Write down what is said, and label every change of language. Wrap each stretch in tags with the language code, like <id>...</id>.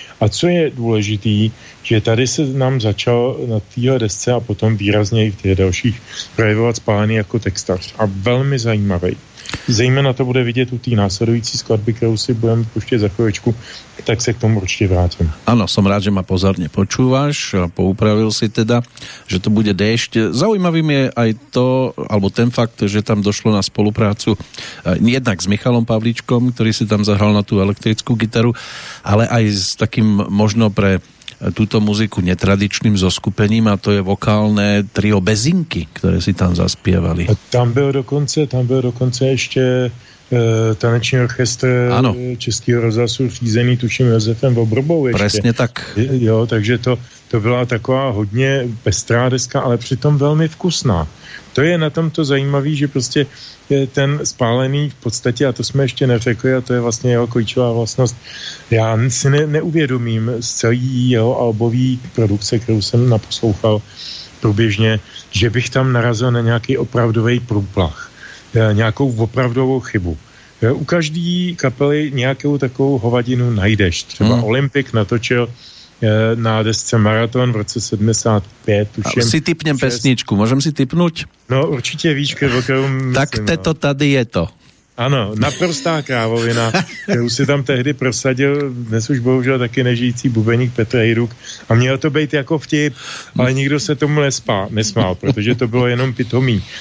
<cs>A co je důležitý, že tady se nám začal na téhle desce a potom výrazně i v těch dalších projevovat Spálený jako textař. A velmi zajímavý. Zejména to bude vidět u té následující skladby, kterou si budeme puštět za chvíličku, tak se k tomu určitě vrátím.</cs> <sk>Ano, jsem rád, že ma pozorně počúváš a poupravil si teda, že to bude Déšť. Zaujímavým je aj to, alebo ten fakt, že tam došlo na spoluprácu jednak s Michalom Pavlíčkom, který si tam zahral na tu elektrickou gitaru, ale aj s takým možno pre túto muziku netradičným zoskupením a to je vokálne trio Bezinky, ktoré si tam zaspievali. A</sk> <cs>tam byl dokonce ešte taneční orchestr Českého rozhlasu řízený tuším Josefem Vobrobou.</cs> <sk>Ešte. Presne tak.</sk> <cs>Jo, takže to byla taková hodně pestrá deska, ale přitom velmi vkusná. To je na tom to zajímavé, že prostě ten Spálený v podstatě, a to jsme ještě neřekli, a to je vlastně jeho klíčová vlastnost, já si neuvědomím z celý jeho albový produkce, kterou jsem naposlouchal průběžně, že bych tam narazil na nějaký opravdový průplach, nějakou opravdovou chybu. U každé kapely nějakou takovou hovadinu najdeš. Třeba Olympic natočil na desce Maraton v roce 75. Tuším,</cs> <sk>si typnem pesničku, môžem si typnúť?</sk> <cs>No určite víš, kterou myslím. Tak to tady je to. Ano, naprostá krávovina, kterou si tam tehdy prosadil, dnes už bohužel taky nežijící bubeník Petr Hejruk a měl to být jako vtip, ale nikdo se tomu nesmál, protože to bylo jenom pitomý.</cs>